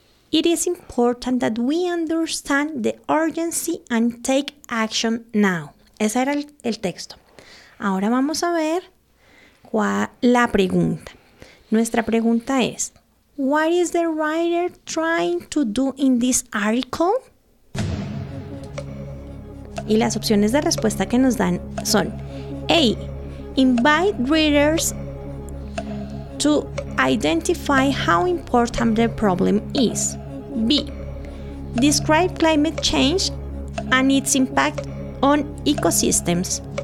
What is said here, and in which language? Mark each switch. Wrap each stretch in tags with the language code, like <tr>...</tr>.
<en>It is important that we understand the urgency and take action now.</en> <es>Ese era el texto. Ahora vamos a ver la pregunta. Nuestra pregunta es,</es> <en>what is the writer trying to do in this article?</en> <es>Y las opciones de respuesta que nos dan son: A.</es> <en>Invite readers to identify how important the problem is. B. Describe climate change and its impact on ecosystems.</en>